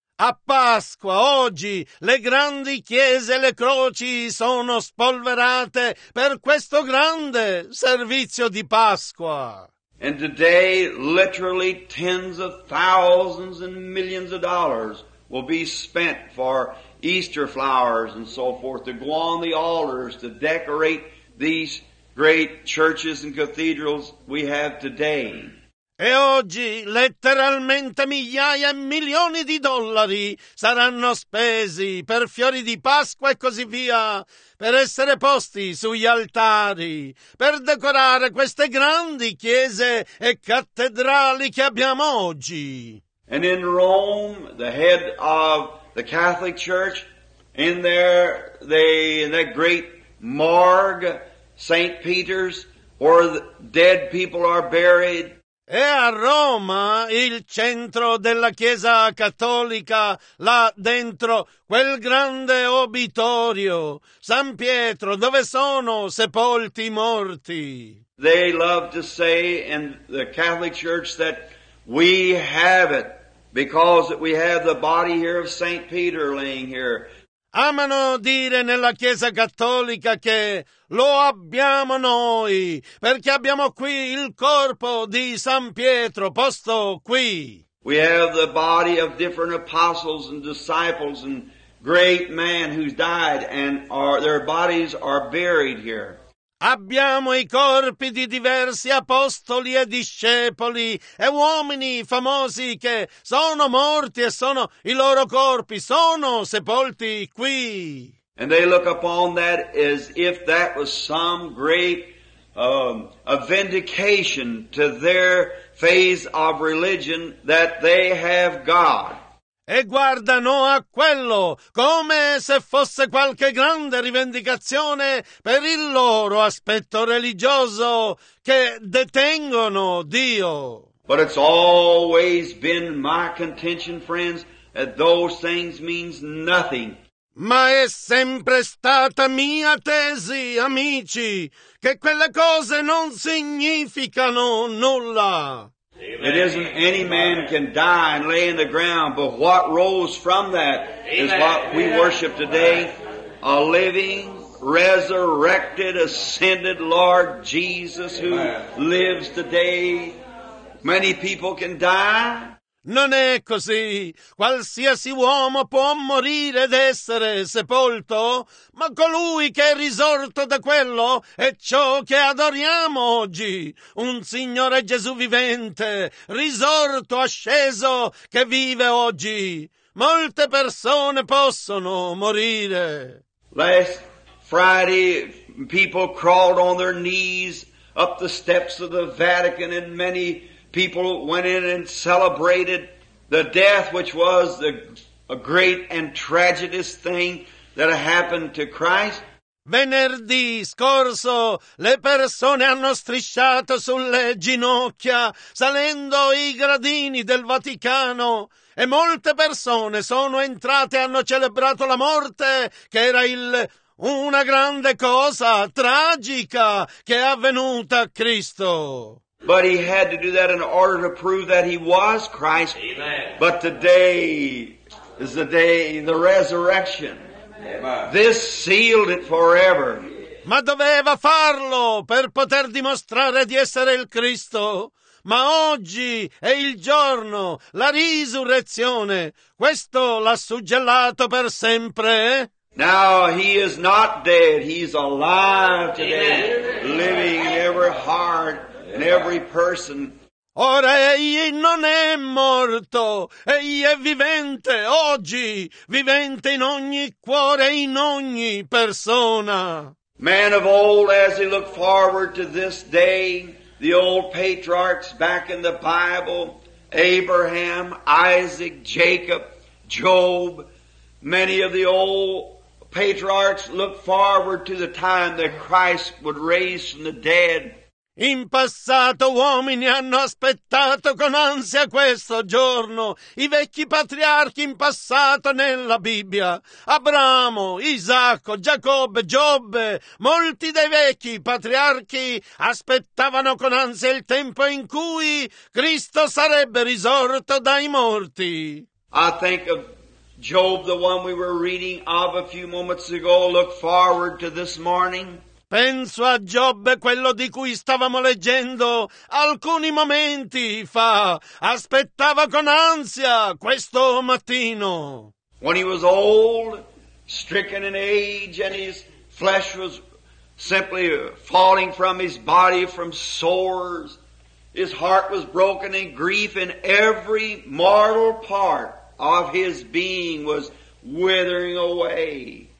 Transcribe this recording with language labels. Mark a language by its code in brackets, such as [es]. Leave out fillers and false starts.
[it] A Pasqua, oggi, le grandi chiese e le croci sono spolverate per questo grande servizio di Pasqua. [en] And today, literally tens of thousands and millions of dollars will be spent for Easter flowers and so forth to go on the altars to decorate these great churches and cathedrals we have today. [it] E oggi letteralmente migliaia e milioni di dollari saranno spesi per fiori di Pasqua e così via, per essere posti sugli altari, per decorare queste grandi chiese e cattedrali che abbiamo oggi. [en] And in Rome, the head of the Catholic Church, in there, in that great morgue, St. Peter's, where the dead people are buried. [it] E a Roma, il centro della Chiesa Cattolica, là dentro quel grande obitorio, San Pietro, dove sono sepolti i morti. [en] They love to say in the Catholic Church that we have it because we have the body here of St. Peter laying here. [it] Amano dire nella Chiesa Cattolica che lo abbiamo noi, perché abbiamo qui il corpo di San Pietro posto qui. [en] We have the body of different apostles and disciples and great men who died, and their bodies are buried here. [it] Abbiamo i corpi di diversi apostoli e discepoli e uomini famosi che sono morti e sono i loro corpi, sono sepolti qui. [en] And they look upon that as if that was some great a vindication to their phase of religion that they have God. [it] E guardano a quello come se fosse qualche grande rivendicazione per il loro aspetto religioso che detengono Dio. [en] But it's always been my contention, friends, that those things means nothing. [it] Ma è sempre stata mia tesi, amici, che quelle cose non significano nulla. [en] Amen. It isn't any man can die and lay in the ground, but what rose from that is what we worship today, a living, resurrected, ascended Lord Jesus who lives today. Many people can die. [it] Non è così. Qualsiasi uomo può morire ed essere sepolto, ma colui che è risorto da quello è ciò che adoriamo oggi. Un Signore Gesù vivente, risorto, asceso, che vive oggi. Molte persone possono morire. [en] Last Friday, people crawled on their knees up the steps of the Vatican and many people went in and celebrated the death, which was a great and tragic thing that happened to Christ. [it] Venerdì scorso le persone hanno strisciato sulle ginocchia salendo i gradini del Vaticano e molte persone sono entrate e hanno celebrato la morte, che era una grande cosa tragica che è avvenuta a Cristo. [en] But he had to do that in order to prove that he was Christ. Amen. But today is the day, the resurrection. Amen. This sealed it forever. [it] Ma doveva farlo per poter dimostrare di essere il Cristo. Ma oggi è il giorno, la risurrezione. Questo l'ha suggellato per sempre. [en] Now he is not dead, he's alive today. Amen. Living in every heart. And every person. [it] Ora egli non è morto, egli è vivente oggi, vivente in ogni cuore, in ogni persona. [en] Man of old, as he looked forward to this day, the old patriarchs back in the Bible, Abraham, Isaac, Jacob, Job, many of the old patriarchs looked forward to the time that Christ would raise from the dead. [it] In passato uomini hanno aspettato con ansia questo giorno, i vecchi patriarchi in passato nella Bibbia, Abramo, Isacco, Giacobbe, Giobbe, molti dei vecchi patriarchi aspettavano con ansia il tempo in cui Cristo sarebbe risorto dai morti. [en] I think of Job, the one we were reading of a few moments ago, look forward to this morning. [it] Penso a Giobbe, quello di cui stavamo leggendo alcuni momenti fa. Aspettava con ansia questo mattino. [en] When he was old, stricken in age, and his flesh was simply falling from his body from sores, his heart was broken in grief, and every mortal part of his being was withering away.